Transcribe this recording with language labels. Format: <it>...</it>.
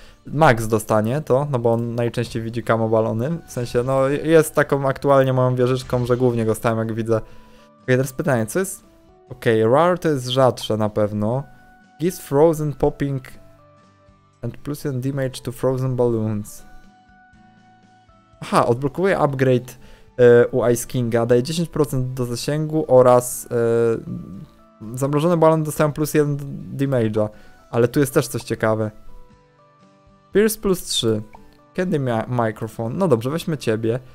<pl>Max dostanie to, no bo on najczęściej widzi camo balony. W sensie, no jest taką aktualnie moją wieżyczką, że głównie go stałem, jak widzę. Okej, teraz pytanie, co jest? Okej, okay, rare to jest rzadsze na pewno.</pl> <en>Gives frozen popping and plus 1 damage to frozen balloons.</en> <pl>Aha, odblokuje upgrade u Ice Kinga, daje 10% do zasięgu oraz zamrożone balony dostają plus 1 damage'a. Ale tu jest też coś ciekawe.</pl> <en>Pierce plus 3. Candy microphone.</en> <pl>No dobrze, weźmy ciebie.</pl>